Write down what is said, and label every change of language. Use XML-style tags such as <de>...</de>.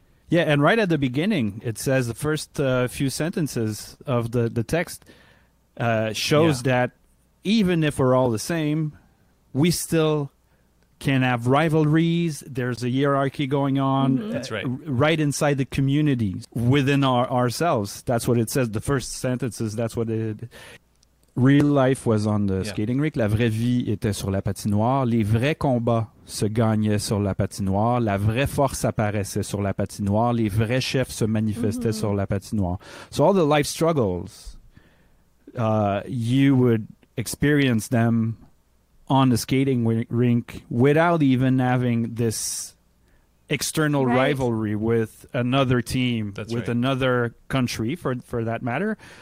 <en>Yeah, and right at the beginning, it says the first few sentences of the text shows that even if we're all the same, we still can have rivalries. There's a hierarchy going on. Mm-hmm. That's right. Right inside the communities within ourselves. That's what it says. The first sentences, that's what it real life was on the skating rink.</en> <fr>La vraie vie était sur la patinoire. Les vrais combats se gagnaient sur la patinoire. La vraie force apparaissait sur la patinoire. Les vrais chefs se manifestaient sur la patinoire.</fr> <en>So all the life struggles, you would experience them on the skating rink without even having this external rivalry with another team, another country, for that matter.</en>